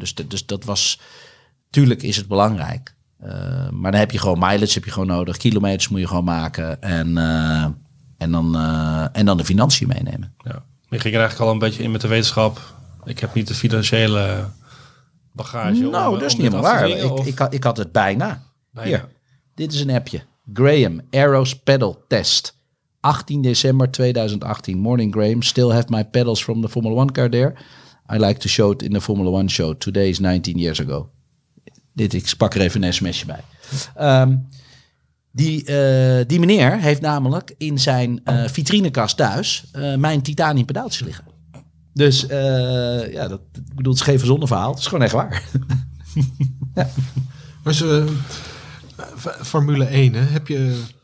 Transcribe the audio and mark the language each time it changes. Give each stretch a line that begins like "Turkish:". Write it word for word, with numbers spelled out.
Dutch: Dus, dus dat was, tuurlijk is het belangrijk. Uh, maar dan heb je gewoon mileage, heb je gewoon nodig, kilometers moet je gewoon maken en, uh, en, dan, uh, en dan de financiën meenemen. Ja, ik ging er eigenlijk al een beetje in met de wetenschap. Ik heb niet de financiële bagage. Nou, om, dat is niet helemaal waar. Dringen, ik, ik, had, ik had het bijna. bijna. Hier, dit is een appje. Graham, Arrows Pedal Test. achttien december tweeduizend achttien.
English: Morning, Graham. Still have my pedals from the Formula One car there. I like to show it in the Formula One show. Today is nineteen years ago.
Dutch: Dit, ik pak er even een sms'je bij. Um, die, uh, die meneer heeft namelijk in zijn uh, vitrinekast thuis uh, mijn titanium pedaaltjes liggen. Dus uh, ja, dat, ik bedoel, het is geen verzonnen verhaal. Het is gewoon echt waar. Ja. Maar ze, Formule één, hè? Heb je...